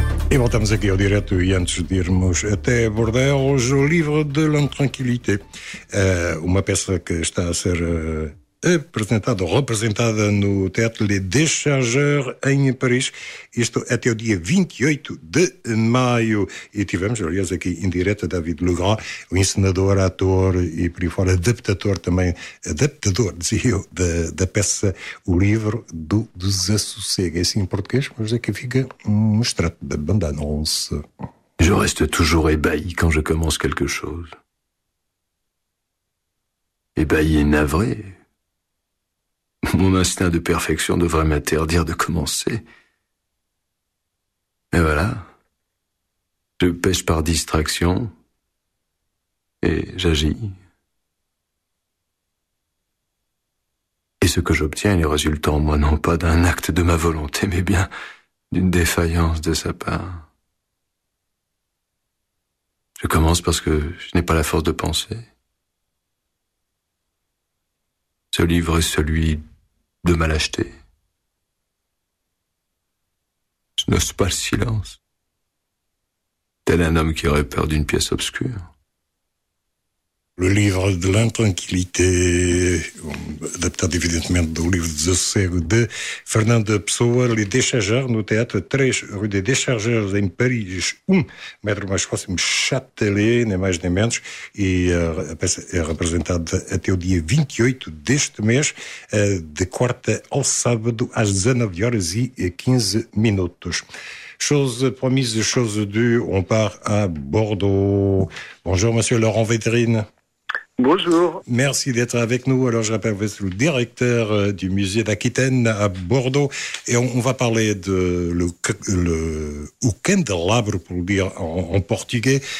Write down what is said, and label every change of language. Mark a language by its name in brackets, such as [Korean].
[Portuguese] E voltamos aqui ao direto e antes de irmos até Bordeaux, o livro de L'Intranquilité, uma peça que está a ser apresentada ou representada no Théâtre Les Déchargeurs em Paris, isto até o dia 28 de maio. E tivemos, aliás, aqui em direto David Legrand, o encenador, ator e por aí fora, adaptador, dizia eu, da peça, o livro do Desassossego. É assim em português, mas é que fica um extrato da bande-annonce. [French] Je reste toujours ébahi quand je commence quelque chose. Ébahi et navré. Mon instinct de perfection devrait m'interdire de commencer. Et voilà, je pêche par distraction et j'agis. Et ce que j'obtiens est le résultat en moi non pas d'un acte de ma volonté, mais bien d'une défaillance de sa part. Je commence parce que je n'ai pas la force de penser. Ce livre est celui de ma lâcheté. Je n'ose pas le silence. Tel un homme qui aurait peur d'une pièce obscure. [Portuguese] Le livre de l'intranquillité, adaptado evidentemente do livro de Desassossego de Fernando Pessoa, Les Déchargeurs, no Théâtre 3, Rue des Déchargeurs, em Paris, 1 metro mais próximo, Châtelet, nem mais nem menos, e a peça é representada até o dia 28 deste mês, de quarta ao sábado, às 19h15. [French] Chose promise, chose due, on part à Bordeaux. Bonjour, monsieur Laurent Vétrine. Bonjour. Merci d'être avec nous. Alors, je rappelle que vous êtes le directeur du musée d'Aquitaine à Bordeaux. Et on va parler de le candelabro, pour le dire en portugais.